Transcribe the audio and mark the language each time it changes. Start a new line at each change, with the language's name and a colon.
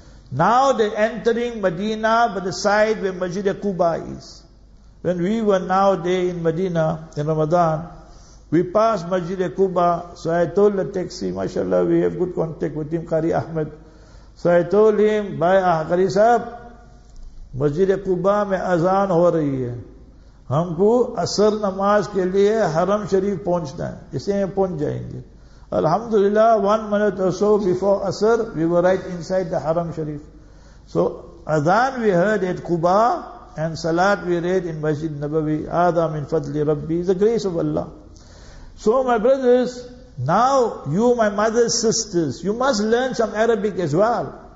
English: Now they're entering Medina by the side where Masjid Quba is. When we were now there in Medina in Ramadan, we passed Masjid Quba. So I told the taxi, mashallah, we have good contact with him, Qari Ahmed. So I told him, by Qari sahab,
Urdu: مسجد قباء میں اذان ہو رہی ہے, ہم کو عصر نماز کے لیے حرم شریف پہنچنا ہے, اسے ہم پہنچ جائیں گے الحمدللہ.
English: 1 minute or so before asr we were right inside the haram sharif. So adhan we heard at Quba and salat we read in Masjid Nabawi.
Arabic: Adam in fadli rabbi,
English: the grace of Allah. So my brothers, now you, my mother's sisters, you must learn some Arabic as well.